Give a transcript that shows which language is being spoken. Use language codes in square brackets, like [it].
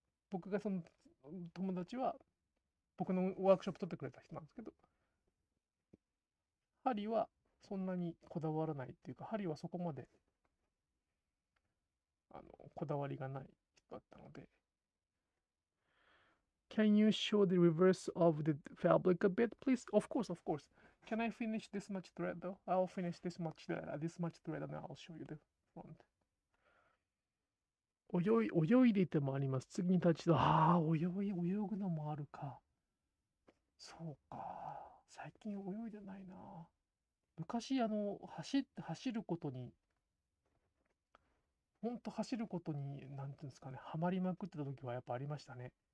[ja] 僕がその友達は、僕のワークショップ取ってくれた人なんですけど、針はそんなにこだわらないっていうか、針はそこまで、こだわりがない人だったので。 [en] Can you show the reverse of the fabric a bit, please? Of course, of course. Can I finish this much thread though? I'll finish this much thread and I'll show you the front. [ja] 泳いでいてもあります。次に立ちと、ああ、泳ぐのもあるか。そうか。最近泳いでないな。昔、走ることに、本当走ることに、なんていうんですかね、ハマりまくってた時はやっぱありましたね。